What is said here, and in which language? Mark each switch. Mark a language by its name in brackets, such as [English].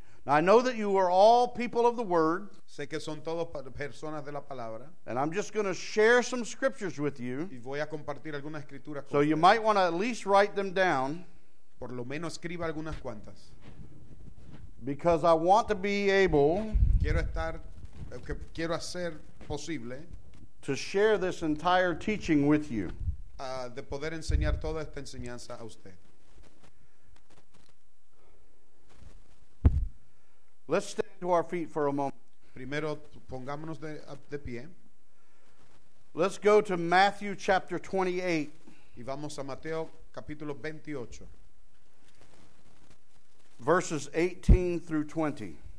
[English] Now I know that you are all people of the word. [Spanish] Sé que son todos personas de la palabra. [English] And I'm just going to share some scriptures with you. [Spanish] Y voy a compartir algunas escrituras con [English] so ustedes. You might want to at least write them down. [Spanish] Por lo menos escriba algunas cuantas. [English] Because I want to be able, [Spanish] quiero estar, quiero hacer posible, [English] to share this entire teaching with you. [Spanish] De poder enseñar toda esta enseñanza a usted. [English] Let's stand to our feet for a moment. [Spanish] Primero, pongámonos de pie. [English] Let's go to Matthew chapter 28. [Spanish] Y vamos a Mateo capítulo 28. [English] Verses 18 through 20.